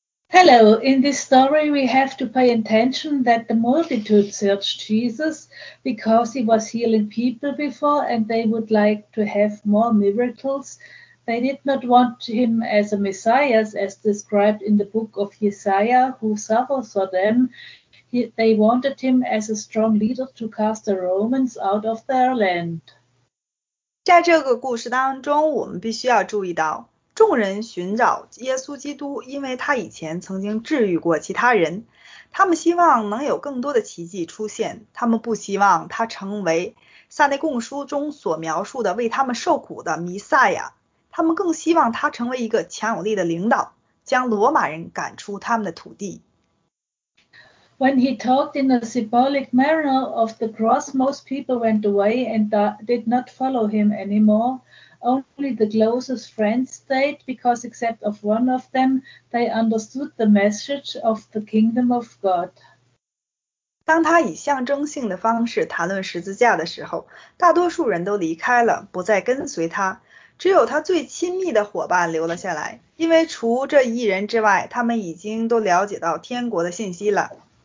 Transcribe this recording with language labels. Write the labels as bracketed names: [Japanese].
[English] Hello, in this story, we have to pay attention that the multitude searched Jesus because he was healing people before and they would like to have more miracles. They did not want him as a Messiah, as described in the book of Isaiah, who suffered for them. They wanted him as a strong leader to cast the Romans out of their land. [Chinese] 在这个故事当中，我们必须要注意到，众人寻找耶稣基督，因为他以前曾经治愈过其他人。他们希望能有更多的奇迹出现，他们不希望他成为撒内贡书中所描述的为他们受苦的弥赛亚。他们更希望他成为一个强有力的领导，将罗马人赶出他们的土地。 [English] When he talked in a symbolic manner of the cross, most people went away and did not follow him anymore. Only the closest friends stayed because, except of one of them, they understood the message of the kingdom of God. [Chinese] 当他以象征性的方式谈论十字架的时候，大多数人都离开了，不再跟随他。只有他最亲密的伙伴留了下来，因为除这一人之外，他们已经都了解到天国的信息了。